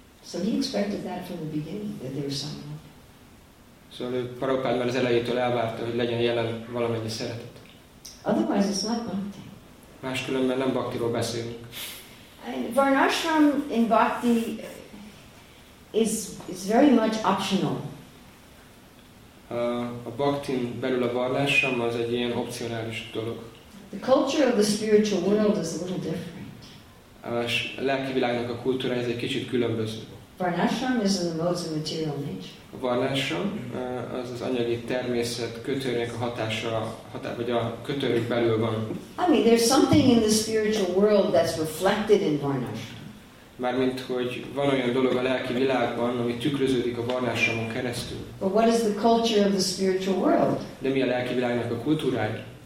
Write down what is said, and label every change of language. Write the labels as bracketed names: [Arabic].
[English] So he expected that from the beginning, that there was someone. [Hungarian] Szóval ő Prabhupád már az elejétől elvárta, hogy legyen jelen valamennyi szeretet. [English] Otherwise it's not bhakti. [Hungarian] Máskülönben nem bhaktiról beszélünk. [English] Varnashram in bhakti is very much optional. [Hungarian] A bhaktin belül a varnashram az egy ilyen opcionális dolog. [English] The culture of the spiritual world is a little different. [Hungarian] A lelki világnak a kultúra ez egy kicsit különböző. [English] Varnashram is in the modes of material nature. [Hungarian] A varnashram az az anyagi természet kötőnek a hatása, vagy a kötőnek belül van. [English] I mean, there's something in the spiritual world that's reflected in varnashram. [Hungarian] Mármint, hogy van olyan dolog a lelki világban, ami tükröződik a varnashramon keresztül. [English] But what is the culture of the spiritual world? [Hungarian] De mi a lelki világnak a kultúrája?